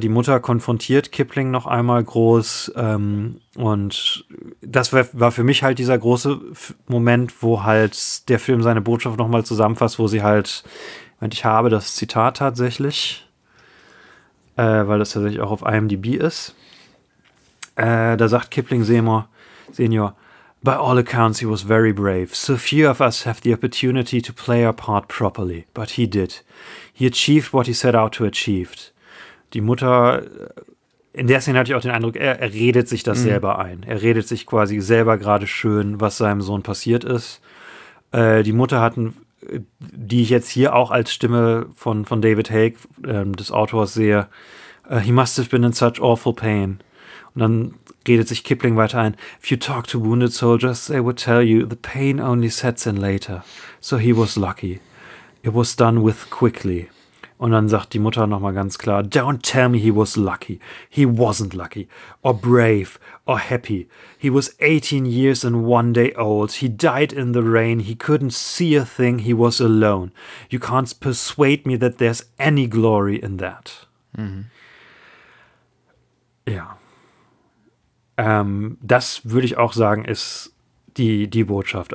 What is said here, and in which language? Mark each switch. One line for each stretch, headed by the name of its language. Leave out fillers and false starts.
German: Die Mutter konfrontiert Kipling noch einmal groß. Und das war für mich halt dieser große Moment, wo halt der Film seine Botschaft noch mal zusammenfasst, wo sie halt, ich habe das Zitat tatsächlich, weil das tatsächlich auch auf IMDb ist. Da sagt Kipling Senior,
English: "By all accounts, he was very brave. So few of us have the opportunity to play our part properly. But he did. He achieved what he set out to achieve."
German: Die Mutter, in der Szene hatte ich auch den Eindruck, er redet sich das selber ein. Er redet sich quasi selber gerade schön, was seinem Sohn passiert ist. Die Mutter hat, die ich jetzt hier auch als Stimme von David Haig, des Autors, sehe,
English: "He must have been in such awful pain."
German: Und dann redet sich Kipling weiter ein.
English: "If you talk to wounded soldiers, they would tell you the pain only sets in later. So he was lucky. It was done with quickly."
German: Und dann sagt die Mutter nochmal ganz klar,
English: "Don't tell me he was lucky. He wasn't lucky. Or brave. Or happy. He was 18 years and one day old. He died in the rain. He couldn't see a thing. He was alone. You can't persuade me that there's any glory in that." Mhm.
German: Ja. Das würde ich auch sagen, ist die Botschaft.